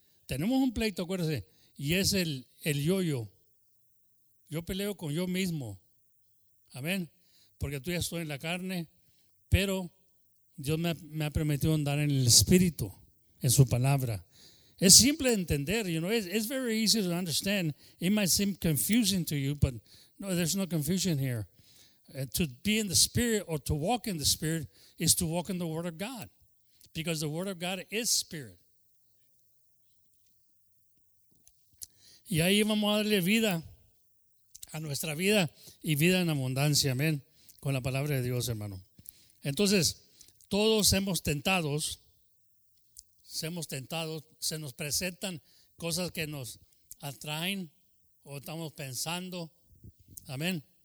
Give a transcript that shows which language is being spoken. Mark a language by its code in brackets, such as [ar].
[es] Tenemos un pleito, acuérdese, y es el yo-yo. Yo peleo con yo mismo. Amén. Porque tú ya estás en la carne, pero Dios me ha permitido andar en el Espíritu, en su palabra. Es simple de entender, [en] you know. It's very easy to understand. It might seem confusing to you, but no, there's no confusion here. To be in the Spirit or to walk in the Spirit is to walk in the Word of God, because the Word of God is Spirit. [es] Y ahí vamos a darle vida a nuestra vida y vida en abundancia, amén, con la palabra de Dios, hermano. Entonces, todos somos tentados, se nos presentan cosas que nos atraen o estamos pensando. Amén.